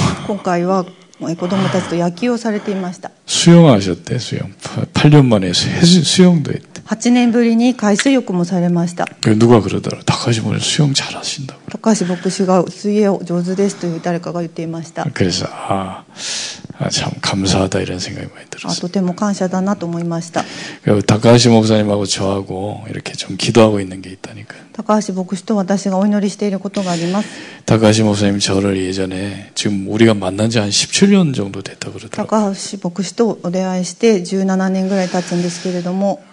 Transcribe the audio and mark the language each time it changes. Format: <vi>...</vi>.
<ja>今回は子供たちと野球をされていました。</ja> <ko>수영하셨대。 수영8년만에수영도했대。</ko> <ja>8年ぶりに海水浴もされました。</ja> <ko>누가그러더라고。高橋牧師수영잘하신다고。</ko> <ja>高橋牧師が水泳上手ですという誰かが言っていました。</ja> <ko>그래서참감사하다이런생각이많이들었어요。</ko> <ja>とても感謝だなと思いました。</ja> <ko>高橋목사님하고저하고이렇게좀기도하고있는게있다니까。</ko> <ja>高橋牧師と私がお祈りしていることがあります。</ja> <ko>高橋목사님저를예전에지금우리가만난지한17년정도됐다고그러더라고요。</ko> <ja>高橋牧師とお出会いして17年ぐらい経つんですけれども、</ja>